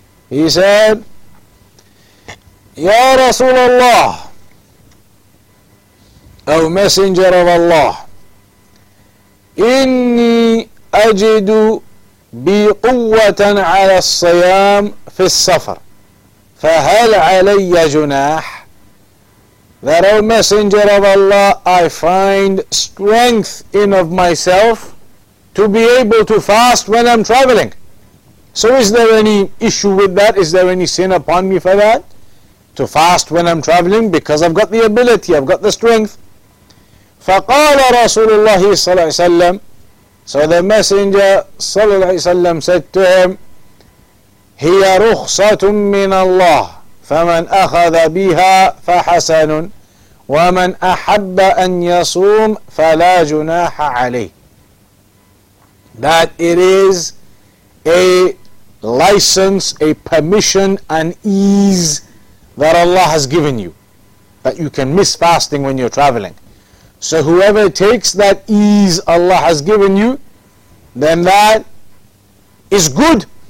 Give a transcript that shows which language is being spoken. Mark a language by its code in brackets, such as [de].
[en] He said, [ar] Ya Rasulullah, [en] O Messenger of Allah, [ar] إني أجد بقوة على الصيام في السفر فهل علي جناح. [en] That, O Messenger of Allah, I find strength in of myself to be able to fast when I'm traveling. So is there any issue with that? Is there any sin upon me for that? To fast when I'm traveling because I've got the ability, I've got the strength. [ar] فقال رسول الله صلى الله عليه وسلم. [en] So the Messenger [ar] صلى الله عليه وسلم [en] said to him, [ar] هي رخصة من الله فمن أخذ بها فحسن ومن أحب أن يصوم فلا جناح عليه. [en] That it is a license, a permission, an ease that Allah has given you, that you can miss fasting when you're traveling. So whoever takes that ease Allah has given you, then that is good.